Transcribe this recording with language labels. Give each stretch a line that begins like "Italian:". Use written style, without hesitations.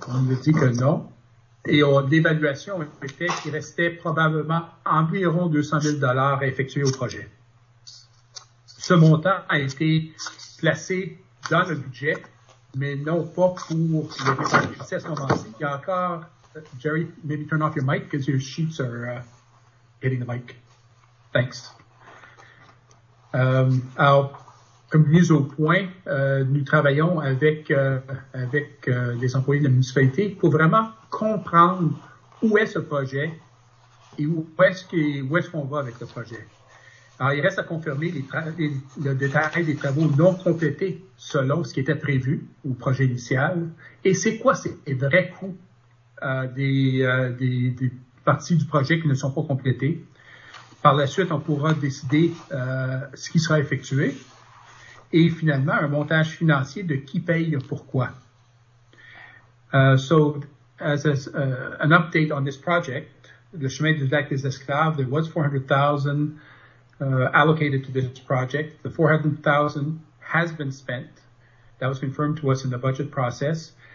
French: On nous a dit que non. Et l'évaluation était qu'il restait probablement environ 200 000 $ à effectuer au projet. Ce montant a été placé dans le budget, mais non pas pour le dépenser à ce moment-ci. Il y a encore,
English: Jerry, maybe turn off your mic, because your sheets are hitting the mic. Thanks.
French: Alors, comme mise au point, nous travaillons avec les employés de la municipalité pour vraiment comprendre où est ce projet et où est-ce qu'on va avec le projet. Alors, il reste à confirmer le détail des travaux non complétés selon ce qui était prévu au projet initial. Et c'est quoi ces vrais coûts des parties du projet qui ne sont pas complétées? Par la suite, on pourra décider ce qui sera effectué. Et finalement, un montage financier de qui paye pourquoi.
English: So, as an update on this project, le chemin du lac des Esclaves, there was $400,000 allocated to this project. The $400,000 has been spent. That was confirmed to us in the budget process.